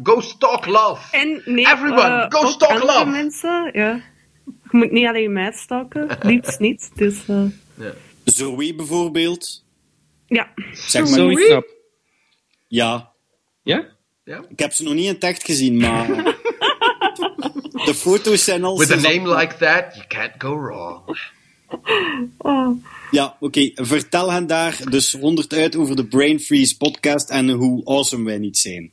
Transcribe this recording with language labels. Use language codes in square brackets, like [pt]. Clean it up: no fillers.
[en] Go stalk laf! Everyone, go stalk laf! [nl] Andere mensen, ja. Je moet niet alleen mij stalken, liefst niet. Dus, ja. Zoe bijvoorbeeld... Ja. Zeg maar niet. Snap. Ja. Ja? Ja? Ik heb ze nog niet in het echt gezien, maar... de foto's zijn al... [en] With a name like that, you can't go wrong. [nl] Oh. Ja, oké. Okay. Vertel hen daar dus 100 uit over de Brain Freeze podcast en hoe awesome wij niet zijn.